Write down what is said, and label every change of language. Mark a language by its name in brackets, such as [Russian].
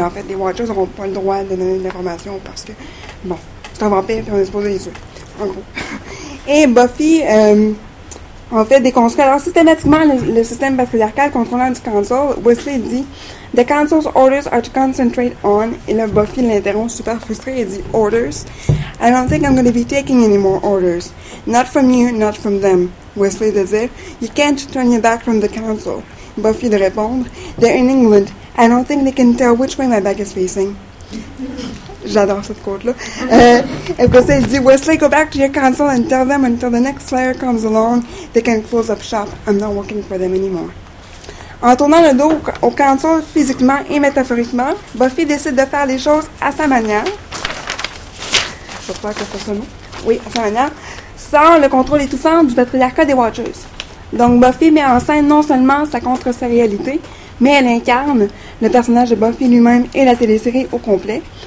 [French] En fait, les Watchers n'auront pas le droit de donner de l'information parce que, bon, c'est un vampire et on est supposé les tuer. En gros. Et Buffy, en fait, déconstruit. Alors, systématiquement, le système patriarcal contrôlant du Council, Wesley dit « [English] The Council's orders are to concentrate on [French] » et là, Buffy l'interrompt super frustré et dit « [English] Orders? I don't think I'm going to be taking any more orders. Not from you, not from them. » [French] Wesley de dire [English] « You can't turn your back from the Council. » [French] Buffy de répondre [English] « They're in England. I don't think they can tell which way my back is facing. » [French] J'adore cette quote-là. Après ça, il dit, [English] Wesley, go back to your council and tell them until the next slayer comes along, they can close up shop. I'm not working for them anymore. [French] En tournant le dos au council physiquement et métaphoriquement, Buffy décide de faire les choses à sa manière. Je crois que c'est ça, non? Oui, à sa manière. Sans le contrôle étouffant du patriarcat des Watchers. Donc, Buffy met en scène non seulement sa contre-sérialité, mais elle incarne le personnage de Buffy lui-même et la télésérie au complet.